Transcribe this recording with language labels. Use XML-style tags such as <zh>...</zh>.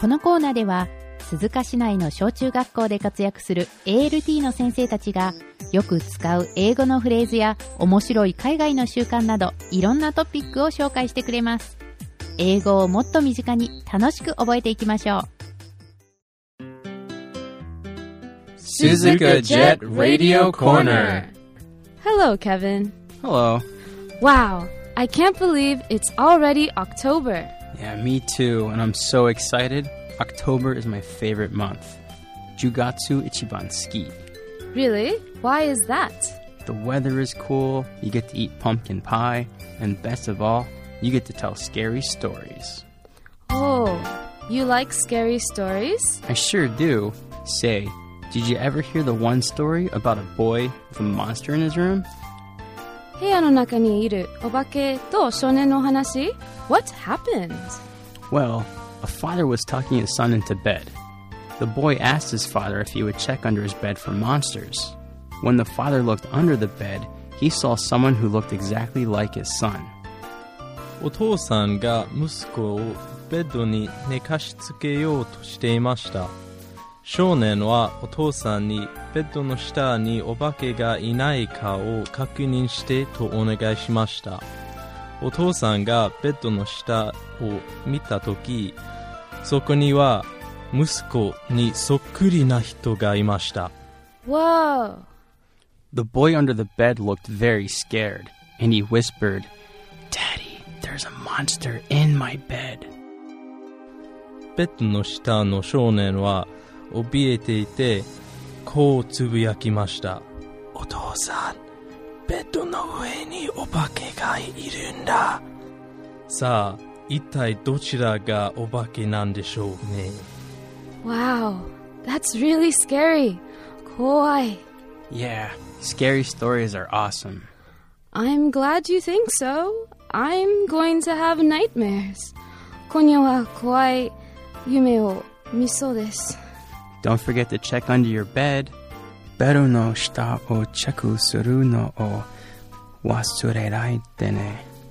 <ja>このコーナーでは鈴鹿市内の小中学校で活躍する ALT の先生たちがよく使う英語のフレーズや面白い海外の習慣などいろんなトピックを紹介してくれます。英語をもっと身近に楽しく覚えていきましょう。鈴鹿ジェットラディオコーナ</ja> <en>ー。 Hello Kevin. Hello. Wow, I can't believe it's already October. Yeah, me too, and I'm so excited. October is my favorite month.</en> <ja>Jugatsu Ichiban Ski.</ja> <en>Really? Why is that? The weather is cool, you get to eat pumpkin pie, and best of all, you get to tell scary stories. Oh, you like scary stories? I sure do. Say, did you ever hear the one story about a boy with a monster in his room?</en> <ja>部屋の中にいるお化けと少年の話?</ja> <en>What happened? Well, a father was tucking his son into bed. The boy asked his father if he would check under his bed for monsters. When the father looked under the bed, he saw someone who looked exactly like his son.</en> <ja>お父さんが息子をベッドに寝かしつけようとしていました。少年はお父さんにベッドの下にお化けがいないかを確認してとお願いしました。お父さんがベッドの下を見たとき、そこには息子にそっくりな人がいました。</ja> <en>Whoa! The boy under the bed looked very scared, and he whispered, Daddy, there's a monster in my bed.</en> <ja>ベッドの下の少年は怯えていてこうつぶやきました。お父さん、ベッドの上にお化けがいるんだ。さあ、一体どちらがお化けなんでしょうね。</ja> <en>Wow, that's really scary.</en> <ja>怖い。</ja> <en>Yeah, scary stories are awesome. I'm glad you think so. I'm going to have nightmares.</en> <ja>今夜は怖い夢を見そうです。</ja> <en>Don't forget to check under your bed.</en> <ja>ベッドの下をチェックするのを忘れないでね。</ja>